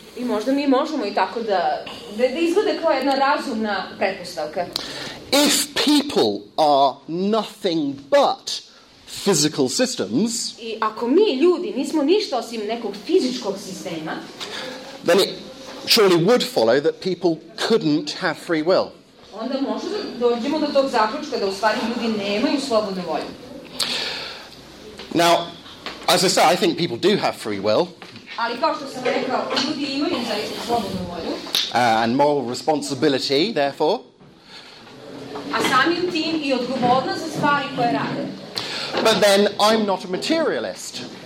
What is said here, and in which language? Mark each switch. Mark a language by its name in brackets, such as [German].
[Serbian] I možda mi možemo i tako da izglede kao jedna razumna pretpostavka. [English] If people are nothing but physical systems, [Serbian] i ako mi ljudi nismo ništa osim nekog fizičkog sistema, [English] then it surely would follow that people couldn't have free will. [Serbian] Onda možemo dođemo do tog zaključka da u stvari ljudi nemaju slobodnu volju. [English] Now, as I say, I think people do have free will. [Serbian] Ali kao što sam rekao, ljudi imaju zaista slobodnu volju. [English] And moral responsibility, therefore. [Serbian] A samim tim i odgovornost za stvari koje rade. [English] But then I'm not a materialist.